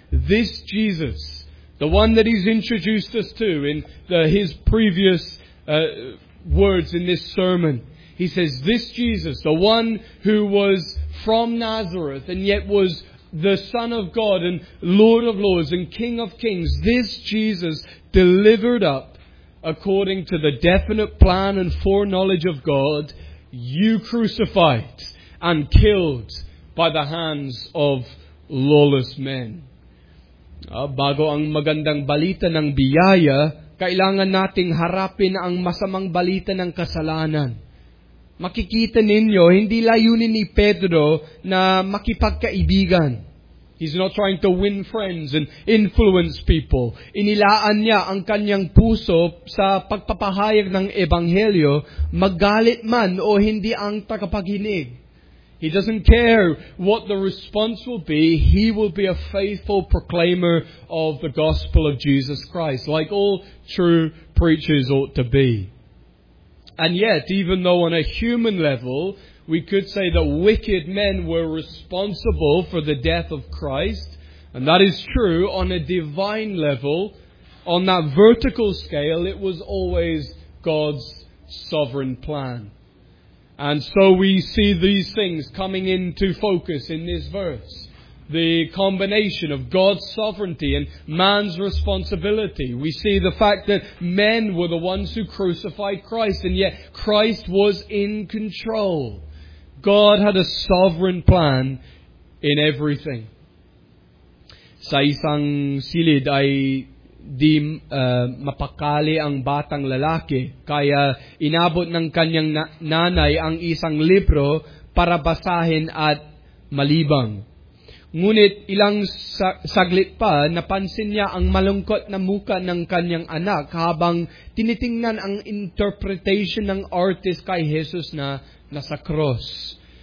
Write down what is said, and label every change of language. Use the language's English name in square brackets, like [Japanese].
[English] this Jesus, the one that he's introduced us to in his previous words in this sermon, he says, this Jesus, the one who was from Nazareth and yet was the Son of God and Lord of Lords and King of Kings, this Jesus delivered up according to the definite plan and foreknowledge of God, you crucified and killed by the hands of lawless men. [Filipino] Bago ang magandang balita ng biyaya, kailangan nating harapin ang masamang balita ng kasalanan. Makikita ninyo, hindi layunin ni Pedro na makipagkaibigan. [English] He's not trying to win friends and influence people. [Filipino] Inilaan niya ang kanyang puso sa pagpapahayag ng Ebanghelyo, magalit man o hindi ang tagapaginig. [English] He doesn't care what the response will be. He will be a faithful proclaimer of the gospel of Jesus Christ, like all true preachers ought to be. And yet, even though on a human level, we could say that wicked men were responsible for the death of Christ, and that is true, on a divine level, on that vertical scale, it was always God's sovereign plan. And so we see these things coming into focus in this verse. The combination of God's sovereignty and man's responsibility. We see the fact that men were the ones who crucified Christ, and yet Christ was in control. God had a sovereign plan in everything. [Filipino] Sa isang silid ay di mapakali ang batang lalaki, kaya inabot ng kanyang nanay ang isang libro para basahin at malibang. Ngunit ilang saglit pa, napansin niya ang malungkot na muka ng kanyang anak habang tinitingnan ang interpretation ng artist kay Jesus na nasa cross.